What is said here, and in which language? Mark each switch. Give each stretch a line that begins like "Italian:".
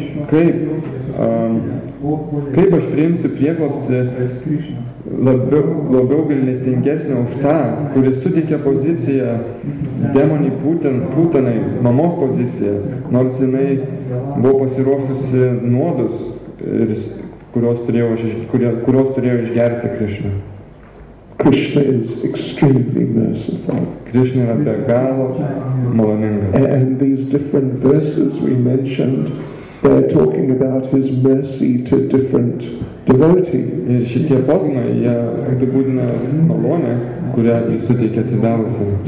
Lithuanian: Kaip aš priimsiu prieglobstį labiau gailestingesnio už tą, kuris suteikia poziciją demonį Putanai, mamos poziciją, nors jinai buvo pasiruošusi nuodus, kurios turėjo išgerti Krishna.
English: Krishna is extremely merciful.
Lithuanian: Krishna yra be galo maloningas.
English: And these different verses we mentioned, they're talking about his mercy to different devotees.
Lithuanian: Šitie posmai, jie apibūdina malonę, kurią jis suteikia atsidavusiam.